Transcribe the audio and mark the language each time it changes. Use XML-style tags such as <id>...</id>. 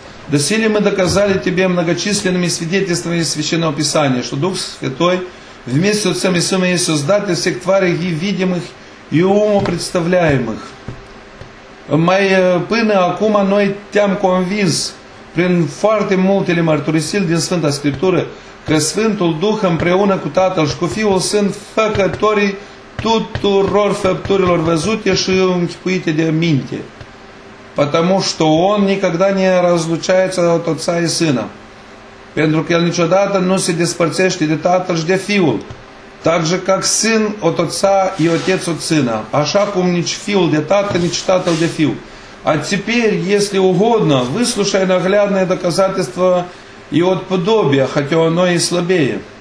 <ru>Desile mă dăcazale tebe многочисленными свидетельствами Священного Писания, що Дух Святой вместе с Отцем и Сыном есть создатель всех тварей и видимых, и уму представляемых. Мы,</ru> <ro>până acum, noi te-am convins, prin foarte multele mărturisiri din Sfânta Scriptură, că Sfântul Duh împreună cu Tatăl și cu Fiul sunt făcătorii tuturor făpturilor văzute și închipuite de minte.</ro> <ru>Потому что Он никогда не разлучается от Отца и Сына.</ru> <ro>Pentru că El niciodată nu se despărțește de Tatăl și de Fiul.</ro> <ru>Так же, как Сын от Отца и Отец от Сына.</ru> <ro>Așa cum nici Fiul de Tată, nici Tatăl de Fiul.</ro> <ru>А теперь, если угодно, выслушай наглядное доказательство и от подобия, хотя оно и слабее.</ru>